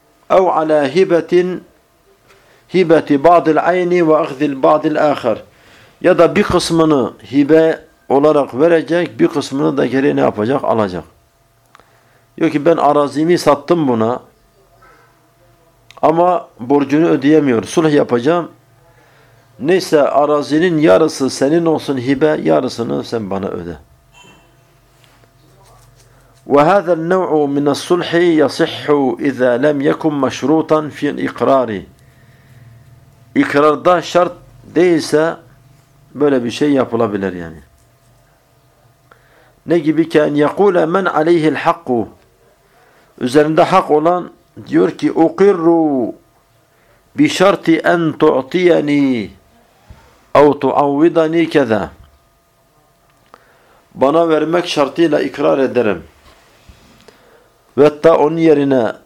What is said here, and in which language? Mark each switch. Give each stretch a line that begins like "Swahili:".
Arabic: اَوْ عَلَى هِبَةٍ هِبَةِ بَعْضِ الْعَيْنِ وَأَخْذِ الْبَعْضِ الْآخَرِ
Turkish: Ya da bir kısmını hibe olarak verecek, bir kısmını da geri ne yapacak? Alacak. Diyor ki ben arazimi sattım buna ama borcunu ödeyemiyor. Sulh yapacağım. Neyse arazinin yarısı senin olsun hibe, yarısını sen bana öde.
Arabic: وَهَذَا النَّوْعُ مِنَ السُّلْحِ يَصِحُّ اِذَا لَمْ يَكُمْ مَشْرُوطًا فِي الْاِقْرَارِ
Turkish: İkrarda şart değilse böyle bir şey yapılabilir yani. Ne gibi ki
Arabic: en yekule men aleyhil hakku
Turkish: üzerinde hak olan diyor ki
Arabic: ukirru bi şarti en tu'tiyeni ev tu'avvidani
Turkish: keza bana vermek şartıyla ikrar ederim ve hatta onun yerine